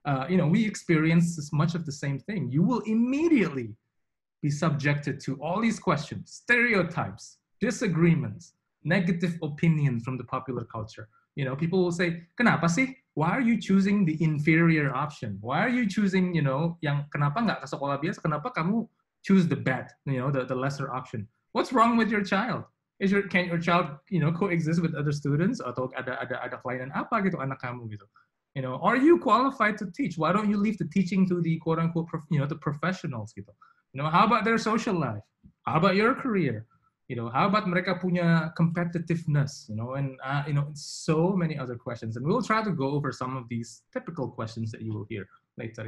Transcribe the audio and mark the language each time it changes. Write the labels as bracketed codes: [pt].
[en] You know, we experience as much of the same thing. You will immediately be subjected to all these questions, stereotypes, disagreements, negative opinions from the popular culture. You know, people will say, [id] kenapa sih? [en] Why are you choosing the inferior option? Why are you choosing, you know, [id] yang kenapa nggak ke sekolah biasa? Kenapa kamu [en] choose the bad, you know, the lesser option? What's wrong with your child? Can your child, you know, coexist with other students? [id] Atau ada kelainan apa gitu anak kamu gitu? [en] You know, are you qualified to teach? Why don't you leave the teaching to the quote unquote, you know, the professionals gitu? You know, how about their social life? How about your career? You know, how about [id] mereka punya [en] competitiveness? You know, and you know, so many other questions. And we'll try to go over some of these typical questions that you will hear later.